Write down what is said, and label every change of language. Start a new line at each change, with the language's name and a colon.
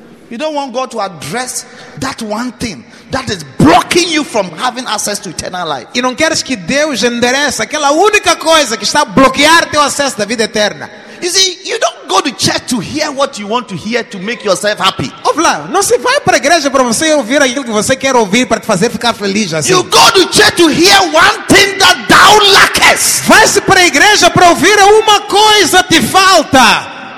English: You don't want God to address that one thing that is blocking you from having access to eternal life.
Portuguese: E não queres que Deus endereça aquela única coisa que está a bloquear teu acesso da vida eterna.
English: You see, you don't go to church to hear what you want to hear to make yourself happy.
Portuguese: Ouve lá, não se vai para a igreja para você ouvir aquilo que você quer ouvir para te fazer ficar feliz assim.
English: You go to church to hear one thing that thou lackest.
Portuguese: Vai-se para a igreja para ouvir uma coisa que te falta.